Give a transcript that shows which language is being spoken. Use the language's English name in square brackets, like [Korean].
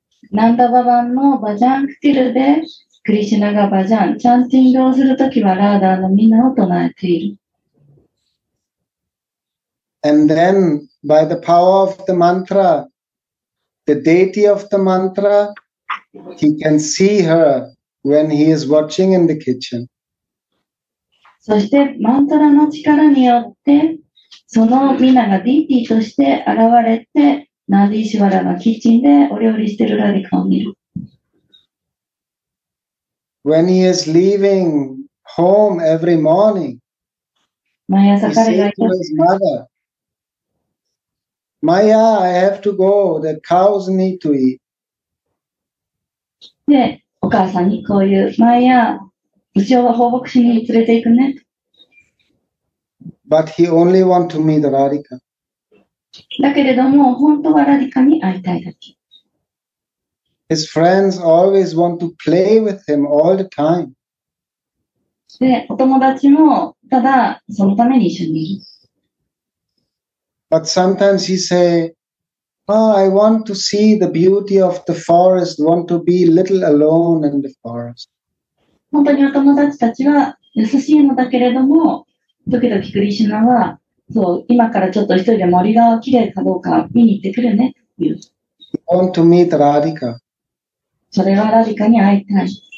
[Japanese] Nanda bhavan no bhajan kuti de Krishna ga bhajan chanting をするときは Radha のみんなを唱えている。 [English] And then by the power of the mantra, the deity of the mantra,He can see her when he is watching in the kitchen. [Japanese] そしてマントラの力によってそのみんながディティとして現れてナディシワラのキッチンでお料理してるラディカを見る。 [English] When he is leaving home every morning, [Japanese] 毎朝彼が [English] to his mother, Maya, I have to go. The cows need to eat. [Japanese] で、お母さんにこういう、マイヤー、うちを放牧しに連れて行くね。 [English] But he only want to meet Radhika. [Japanese] だけれども、本当はラディカに会いたいだけ。 [English] His friends always want to play with him all the time. [Japanese] で、お友達もただそのために一緒にいる。 [English] But sometimes he say,Oh, I want to see the beauty of the forest, want to be little alone in the forest. [Japanese] 本当にお友達たちは優しいのだけれども、時々クリシュナは、そう、今からちょっと一人で森がきれいかどうか見に行ってくるね、という。 [English] I want to meet Radhika. [Japanese] それはラディカに会いたい。